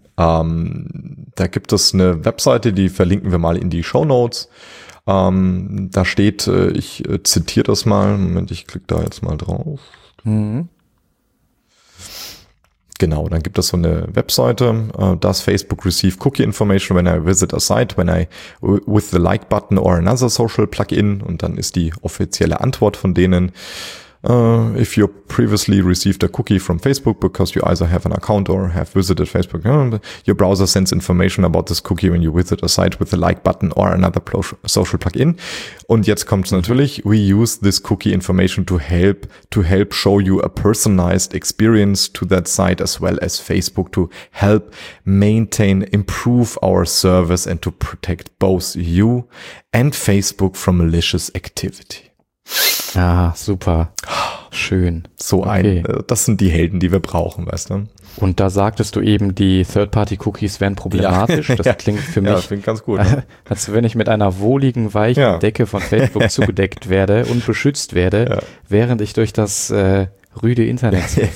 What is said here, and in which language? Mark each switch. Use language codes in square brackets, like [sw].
[de] Da gibt es eine Webseite, die verlinken wir mal in die Shownotes. Da steht, ich zitiere das mal. Moment, ich klicke da jetzt mal drauf. Mhm. Genau, dann gibt es so eine Webseite. [en] Does Facebook receive cookie information when I visit a site, when I with the like button or another social plugin? [de] Und dann ist die offizielle Antwort von denen. [en] If you previously received a cookie from Facebook because you either have an account or have visited Facebook, your browser sends information about this cookie when you visit a site with a like button or another social plugin. [de] Und jetzt kommt's natürlich. [en] We use this cookie information to help show you a personalized experience to that site as well as Facebook to help maintain, improve our service and to protect both you and Facebook from malicious activity. [de] Ah, super. Schön. So ein, okay. Das sind die Helden, die wir brauchen, weißt du? Und da sagtest du eben, die Third-Party-Cookies wären problematisch. Ja. Das klingt für mich, klingt ganz gut, als wenn ich mit einer wohligen, weichen Decke von Facebook zugedeckt werde und beschützt werde, während ich durch das rüde Internet.